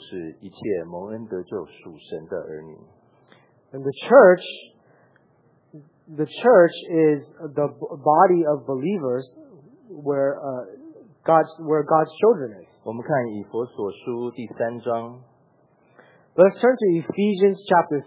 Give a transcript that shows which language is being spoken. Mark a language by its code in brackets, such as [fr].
[zh] 教会就是主的身体，就是一切蒙恩得救属神的儿女。 [en] And the church, the church is the body of believers where God's children is. [zh] 我们看以弗所书第三章。 [en] Let's turn to Ephesians chapter